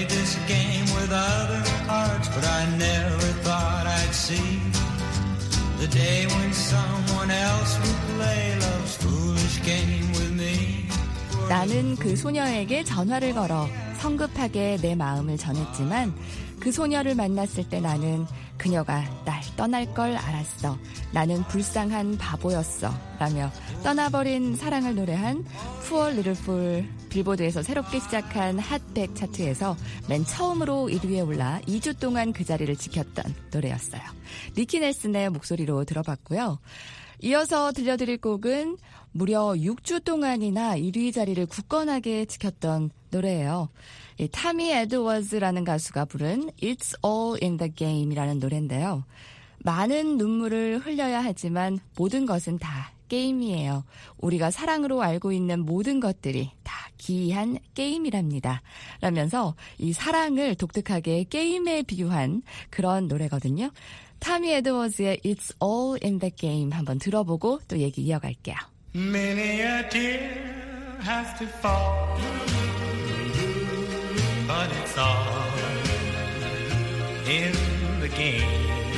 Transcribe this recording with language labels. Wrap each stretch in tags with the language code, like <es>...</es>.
<en>But I never thought I'd see the day when someone else would play love's foolish game with me.</en> <ko>나는 그 소녀에게 전화를 걸어 성급하게 내 마음을 전했지만 그 소녀를 만났을 때 나는 그녀가 날 떠날 걸 알았어. 나는 불쌍한 바보였어. 라며 떠나버린 사랑을 노래한 Poor Little Fool. 빌보드에서 새롭게 시작한 핫100 차트에서 맨 처음으로 1위에 올라 2주 동안 그 자리를 지켰던 노래였어요. 니키 넬슨의 목소리로 들어봤고요. 이어서 들려드릴 곡은 무려 6주 동안이나 1위 자리를 굳건하게 지켰던 노래예요. 이 타미 에드워즈라는 가수가 부른 It's All in the Game이라는 노래인데요. 많은 눈물을 흘려야 하지만 모든 것은 다 게임이에요. 우리가 사랑으로 알고 있는 모든 것들이 다 기이한 게임이랍니다. 라면서 이 사랑을 독특하게 게임에 비유한 그런 노래거든요. 타미 에드워즈의 It's All in the Game 한번 들어보고 또 얘기 이어갈게요.</ko> <en>Many a tear has to fall, but it's all in the game.</en>